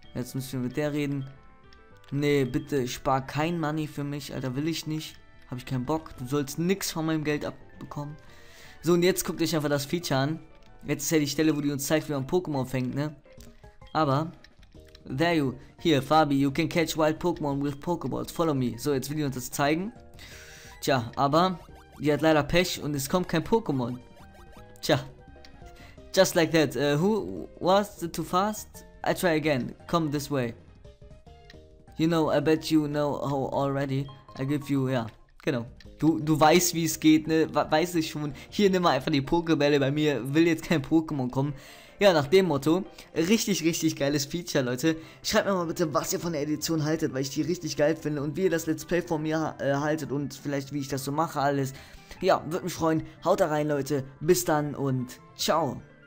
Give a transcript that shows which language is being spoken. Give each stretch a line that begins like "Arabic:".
German: Jetzt müssen wir mit der reden. Nee, bitte spar kein Money für mich, Alter, will ich nicht. Habe ich keinen Bock. Du sollst nichts von meinem Geld abbekommen. So, und jetzt guckt euch einfach das Feature an. Jetzt ist ja die Stelle, wo die uns zeigt, wie man Pokémon fängt, ne?
English: Aber. There you. Here, Fabi, you can catch wild Pokémon with Pokéballs. Follow me.
German: So, jetzt will ich uns das zeigen. Tja, aber die hat leider Pech und es kommt kein Pokémon.
English: Tja. Just like that. Who was it too fast? I try again. Come this way. You know, I bet you know how already. I give you,
German: ja. Genau. Du weißt, wie es geht, ne? Weiß ich schon. Hier, nimm mal einfach die Pokébälle bei mir. Will jetzt kein Pokémon kommen. Ja, nach dem Motto, richtig, richtig geiles Feature, Leute. Schreibt mir mal bitte, was ihr von der Edition haltet, weil ich die richtig geil finde und wie ihr das Let's Play von mir haltet und vielleicht, wie ich das so mache, alles. Ja, würde mich freuen. Haut da rein, Leute. Bis dann und ciao.